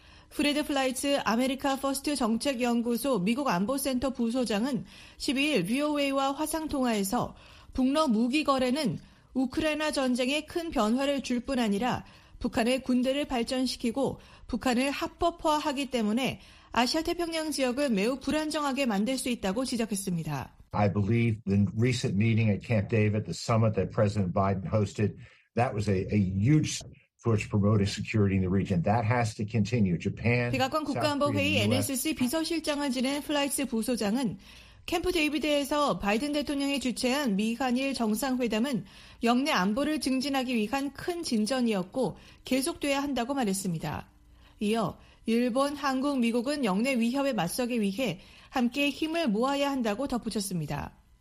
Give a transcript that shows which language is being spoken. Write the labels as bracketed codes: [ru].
[ko] 프레드 플라이츠 아메리카 퍼스트 정책연구소 미국 안보센터 부소장은 12일 VOA와 화상통화에서 북러 무기 거래는 우크라이나 전쟁에 큰 변화를 줄 뿐 아니라 북한의 군대를 발전시키고 북한을 합법화하기 때문에 아시아 태평양 지역을 매우 불안정하게 만들 수 있다고 지적했습니다. [en] I believe the recent meeting at Camp David, the summit that President Biden hosted, that was a huge push promoting security in the region. That has to continue. Japan. [ko] 백악관 국가안보회의 NSC 비서실장을 지낸 플라이츠 부소장은 캠프 데이비드에서 바이든 대통령이 주최한 미한일 정상회담은 영내 안보를 증진하기 위한 큰 진전이었고 계속돼야 한다고 말했습니다. 이어 일본, 한국, 미국은 영내 위협에 맞서기 위해 함께 힘을 모아야 한다고 덧붙였습니다.